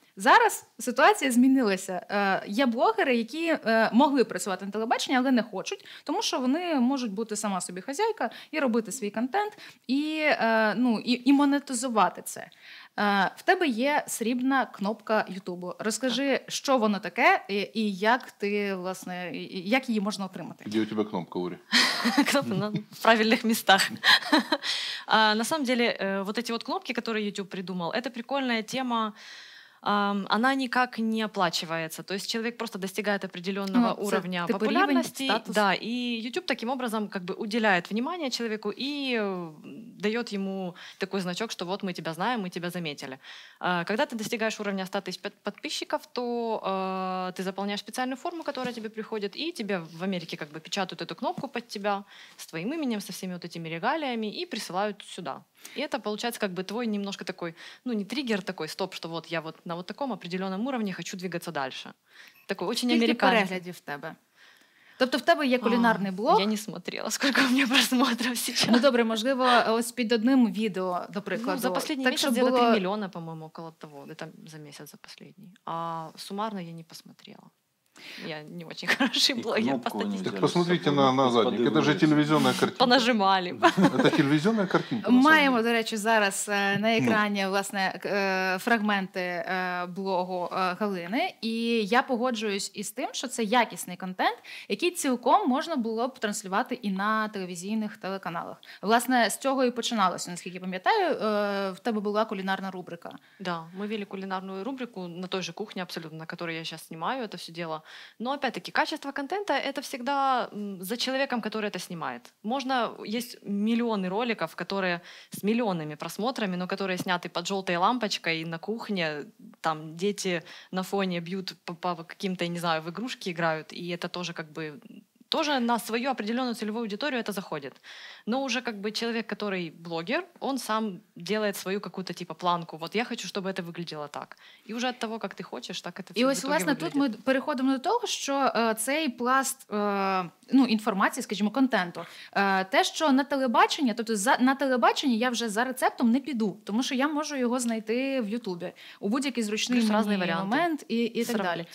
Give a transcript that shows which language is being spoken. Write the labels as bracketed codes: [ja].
[uk] Зараз ситуація змінилася. Є блогери, які могли працювати на телебаченні, але не хочуть, тому що вони можуть бути сама собі хазяйка і робити свій контент, і монетизувати це. В тебе є срібна кнопка Ютубу. Розкажи, що воно таке і як ти, власне, як її можна отримати? Де у тебе кнопка, Урі? Кнопка в правильних містах. [ru] На самом деле, вот эти вот кнопки, которые YouTube придумал, это прикольная тема. Она никак не оплачивается. То есть человек просто достигает определенного уровня популярности. Да, и YouTube таким образом как бы уделяет внимание человеку и дает ему такой значок, что вот мы тебя знаем, мы тебя заметили. Когда ты достигаешь уровня 100 тысяч подписчиков, то ты заполняешь специальную форму, которая тебе приходит, и тебе в Америке как бы печатают эту кнопку под тебя с твоим именем, со всеми вот этими регалиями и присылают сюда. И это получается как бы твой немножко такой, ну не триггер такой, стоп, что вот я вот на вот таком определенном уровне хочу двигаться дальше. Такой очень американский. [uk] Сколько переглядів в тебе? Тобто в тебе є кулінарний блог? [ru] Я не смотрела, сколько у меня просмотров сейчас. [uk] Ну добре, можливо, ось під одним відео, до прикладу. Ну, за последний так, місяць було... 3 мільйони, по-моєму, около того, где-то за місяць, за последний. [ru] А сумарно я не посмотрела. Я не очень хороший блогер. Так посмотрите на задник. Это же телевизионная картинка. Понажимали. Это телевизионная картинка. [uk] Маємо, до речі, зараз на екрані власне фрагменти блогу Галини. І я погоджуюсь із тим, що це якісний контент, який цілком можна було б транслювати і на телевізійних телеканалах. Власне, з цього і починалося, наскільки пам'ятаю, в тебе була кулінарна рубрика. [ru] Да, ми вели кулінарну рубрику на той же кухні абсолютно, на которой я сейчас снимаю это все дело. Но опять-таки, качество контента – это всегда за человеком, который это снимает. Можно, есть миллионы роликов, которые с миллионами просмотрами, но которые сняты под желтой лампочкой на кухне, там дети на фоне бьют по каким-то, я не знаю, в игрушки играют, и это тоже как бы, тоже на свою определенную целевую аудиторию это заходит. Но уже как бы человек, который блогер, он сам делает свою какую-то типа планку. Вот я хочу, чтобы это выглядело так. И уже от того, как ты хочешь, так это все. [uk] И вот, власне, тут мы переходим до того, что цей пласт інформації, скажімо, контенту. Те, що на телебачення, тобто на телебачення я вже за рецептом не піду, тому що я можу його знайти в Ютубі у будь-який зручний мені момент і так далі.